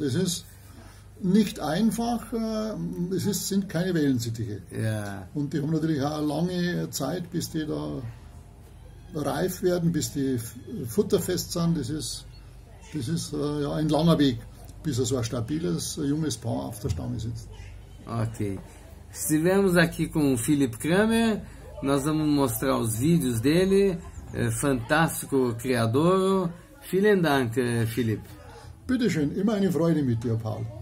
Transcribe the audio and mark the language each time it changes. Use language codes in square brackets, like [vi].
[de] Es ist nicht einfach, es ist, sind keine Wellensittiche. Ja. Und die haben natürlich auch eine lange Zeit, bis die da reif werden, bis die futterfest sind. Das ist ja, ein langer Weg, bis so ein stabiles, junges Paar auf der Stange sitzt. Okay. [pt] Estivemos aqui com o Philipp Kramer, nós vamos mostrar os vídeos dele, é fantástico criador. [de] Vielen Dank, Philipp. Bitte schön, immer eine Freude mit dir, Paul.